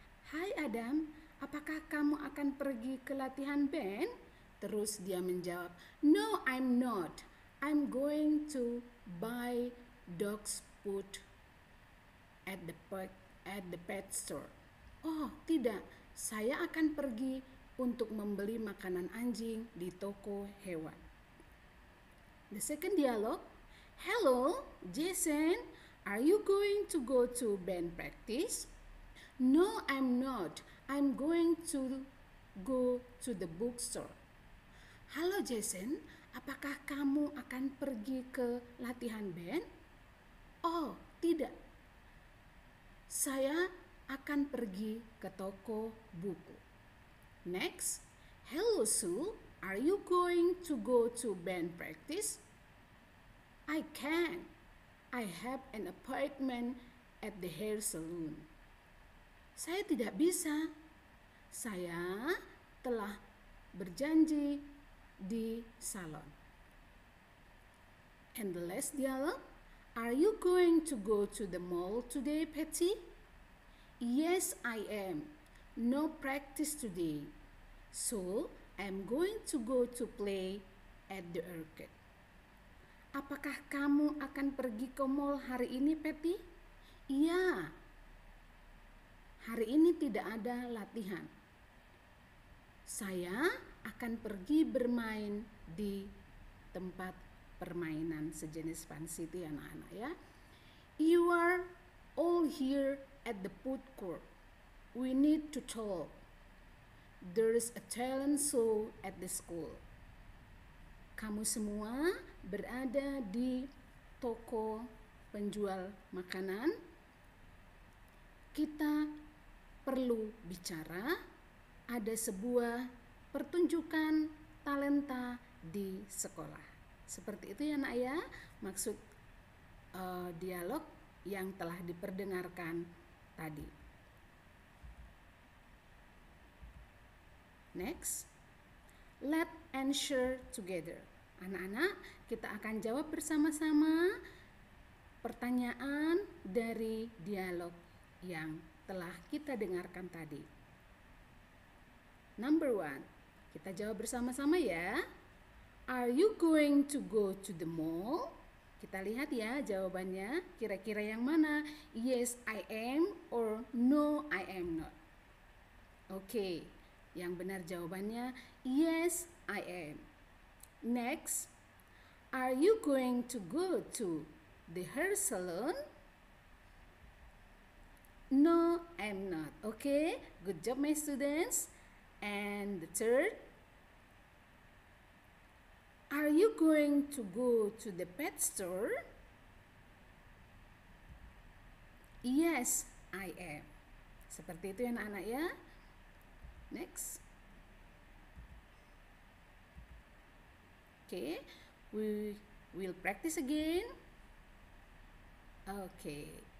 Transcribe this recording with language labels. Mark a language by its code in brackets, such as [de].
[id] Hai Adam, apakah kamu akan pergi ke latihan band? Terus dia menjawab, [en] no, I'm not. I'm going to buy dog food at the pet store. [id] Oh, tidak. Saya akan pergi untuk membeli makanan anjing di toko hewan. [en] The second dialogue. Hello, Jason. Are you going to go to band practice? No, I'm not. I'm going to go to the bookstore. [id] Halo, Jason. Apakah kamu akan pergi ke latihan band? Oh, tidak. Saya akan pergi ke toko buku. [en] Next. Hello, Sue. Are you going to go to band practice? I can. I have an appointment at the hair salon. [id] Saya tidak bisa. Saya telah berjanji di salon. [en] And the last dialogue, are you going to go to the mall today, Patty? Yes, I am. No practice today. So, I'm going to go to play at the arcade. [id] Apakah kamu akan pergi ke mall hari ini, Patty? Iya. hari ini tidak ada latihan. Saya akan pergi bermain di tempat permainan sejenis Fun City, anak-anak ya. [en] You are all here at the food court. We need to talk. There is a talent show at the school. [id] Kamu semua berada di toko penjual makanan. Kita perlu bicara. Ada sebuah pertunjukan talenta di sekolah. Seperti itu ya nak ya, maksud dialog yang telah diperdengarkan tadi. [en] Next, let answer together. [id] Anak-anak, kita akan jawab bersama-sama pertanyaan dari dialog yang telah kita dengarkan tadi. [en] Number one, [id] kita jawab bersama-sama ya. [en] Are you going to go to the mall? [id] Kita lihat ya jawabannya, kira-kira yang mana? [en] Yes, I am, or no, I am not. [id] Okay, yang benar jawabannya, [en] yes, I am. Next, are you going to go to the hair salon? No, I'm not. Okay, good job, my students. And the third, are you going to go to the pet store? Yes, I am. [id] Seperti itu ya anak-anak ya. [en] Next. Okay, we will practice again. Okay.